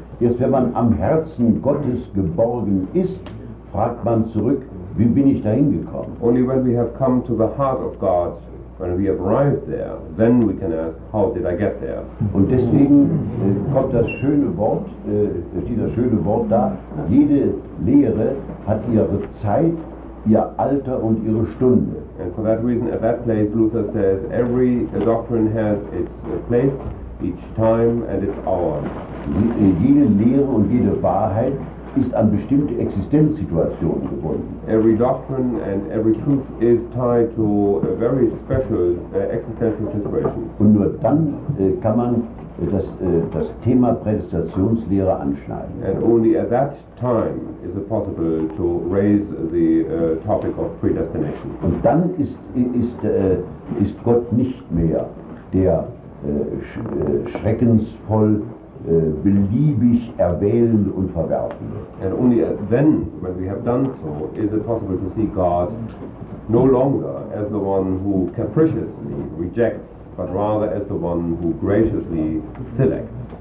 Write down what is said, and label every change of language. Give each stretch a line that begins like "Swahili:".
German: Erst wenn man am Herzen Gottes geborgen ist, fragt man zurück, wie bin ich dahin gekommen?
English: Only when we have come to the heart of God, when we have arrived there, then we can ask, how did I get there?
German: Und deswegen kommt das schöne Wort, dieser schöne Wort da, jede Lehre hat ihre Zeit, ihr Alter und ihre Stunde.
English: And for that reason, at that place, Luther says, every doctrine has its place, each time and its hour.
German: Jede Lehre und jede Wahrheit ist an bestimmte Existenzsituationen gebunden.
English: Every doctrine and every truth is tied to a very special existential situation.
German: Und nur dann kann man das Thema Prädestinationslehre anschneiden.
English: And only at that time is it possible to raise the topic of predestination.
German: Und dann ist Gott nicht mehr der schreckensvoll beliebig erwählen und verwerfen.
English: And only then, when we have done so, is it possible to see God no longer as the one who capriciously rejects, but rather as the one who graciously selects.